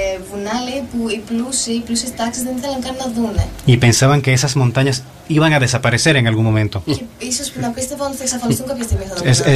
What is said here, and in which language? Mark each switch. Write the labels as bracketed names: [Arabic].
[Greek] Βουνά λέει που οι πλούσιες τάξεις δεν ήθελαν καν να δούνε. [Spanish] Y pensaban que esas montañas iban a desaparecer en algún momento. [Greek] Και ίσως να πίστευαν ότι θα εξαφανιστούν κάποια στιγμή.